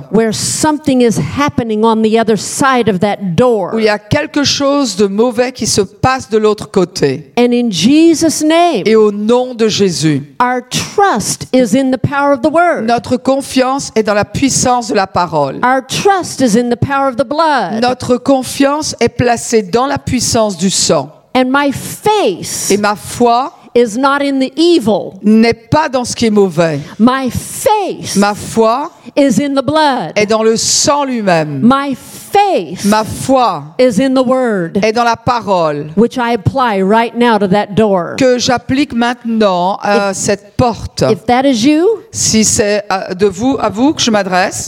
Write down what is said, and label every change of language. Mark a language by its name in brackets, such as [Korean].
[English] Where something is happening on the other side of that door. [French] Où il y a quelque chose de mauvais qui se passe de l'autre côté. [English] And in Jesus' name. [French] Et au nom de Jésus. [English] Our trust is in the power of the word. [French] Notre confiance est dans la puissance de la parole. [English] Our trust is in the power of the blood. [French] Notre confiance est placée dans la puissance du sang. [English] And my faith. [French] Et ma foi. [English] Is not in the evil. [French] N'est pas dans ce qui est mauvais. [English] My faith. [French] Ma foi. [English] Is in the blood. [French] Est dans le sang lui-même. [English] My faith, [French] ma foi, [English] is in the word, [French] est dans la parole, [English] which I apply right now to that door, [French] que j'applique maintenant à cette porte. [English] If that is you, [French] si c'est de vous à vous que je m'adresse,